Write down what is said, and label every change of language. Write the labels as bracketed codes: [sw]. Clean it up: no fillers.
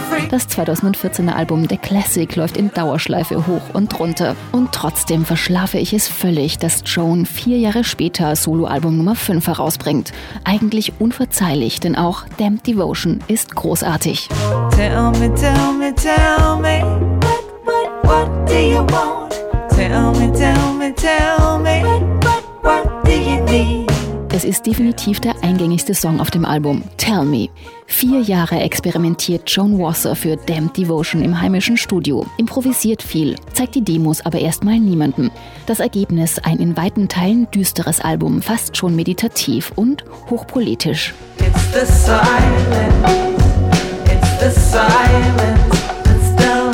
[de] Das 2014er Album The Classic läuft in Dauerschleife hoch und runter. Und trotzdem verschlafe ich es völlig, dass Joan 4 Jahre später Soloalbum Nummer 5 herausbringt. Eigentlich unverzeihlich, denn auch Damned Devotion ist großartig. [en] Tell me, tell me, tell me, what do you want? Tell me, tell me, tell me, what do you need? [de] Es ist definitiv der eingängigste Song auf dem Album, Tell Me. 4 Jahre experimentiert Joan Wasser für Damned Devotion im heimischen Studio, improvisiert viel, zeigt die Demos aber erstmal niemandem. Das Ergebnis, ein in weiten Teilen düsteres Album, fast schon meditativ und hochpolitisch. [en] It's the silence, it's the silence.